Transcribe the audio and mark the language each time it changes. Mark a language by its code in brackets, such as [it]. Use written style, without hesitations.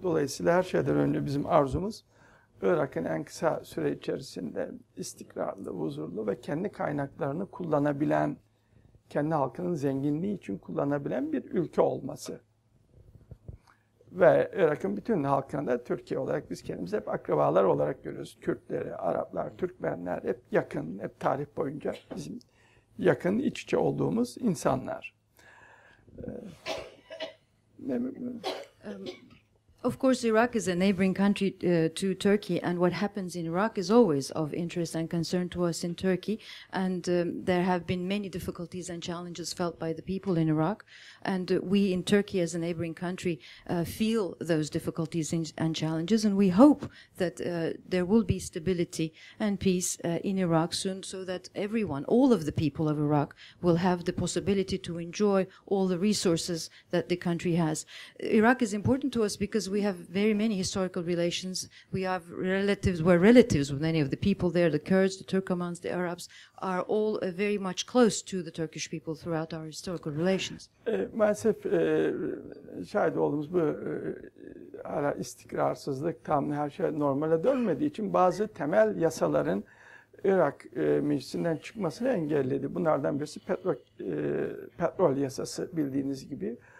[tr] Dolayısıyla her şeyden önce bizim arzumuz Irak'ın en kısa süre içerisinde istikrarlı, huzurlu ve kendi kaynaklarını kullanabilen, kendi halkının zenginliği için kullanabilen bir ülke olması. Ve Irak'ın bütün halkını da Türkiye olarak biz kendimizi hep akrabalar olarak görüyoruz. Kürtleri, Araplar, Türkmenler hep yakın, hep tarih boyunca bizim yakın iç içe olduğumuz insanlar. [en] Of course, Iraq is a neighboring country to Turkey, and what happens in Iraq is always of interest and concern to us in Turkey. And there have been many difficulties and challenges felt by the people in Iraq. And we in Turkey as a neighboring country feel those difficulties and challenges. And we hope that there will be stability and peace in Iraq soon, so that everyone, all of the people of Iraq, will have the possibility to enjoy all the resources that the country has. Iraq is important to us because we have very many historical relations. We have relatives, we're relatives with many of the people there, the Kurds, the Turkomans, the Arabs, are all very much close to the Turkish people throughout our historical relations. [tr] Maalesef şahit olduğumuz bu ara istikrarsızlık tam her şey normale dönmediği için bazı temel yasaların Irak meclisinden çıkmasını engelledi. Bunlardan birisi petrol yasası bildiğiniz gibi.